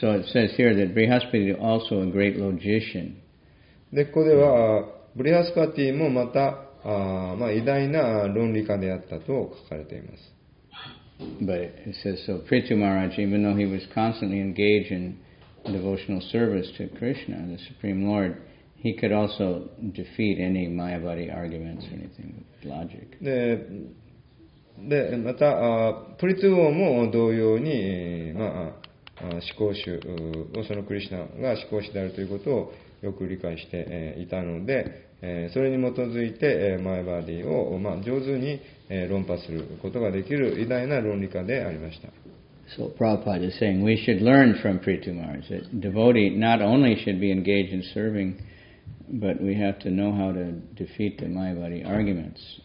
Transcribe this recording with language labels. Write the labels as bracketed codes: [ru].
[en] So it says here that Brihaspati is also a great logician. [ja] で、ここではブリハスパティもまた偉大な論理家であったと書かれています。 [en] But it says so, Prithu Maharaj, even though he was constantly engaged in devotional service to Krishna, the Supreme Lord. He could also defeat any Mayavadi arguments or anything with logic. [ja] で、また、プリトゥ王も同様に、思考主、そのクリシナが思考主であるということをよく理解していたので、それに基づいて、Mayavadiを、上手に、論破することができる偉大な論理家でありました。 [en] So Prabhupada is saying we should learn from Prithu Maharaj that devotee not only should be engaged in servingBut we have to know how to defeat the Mayavadi arguments.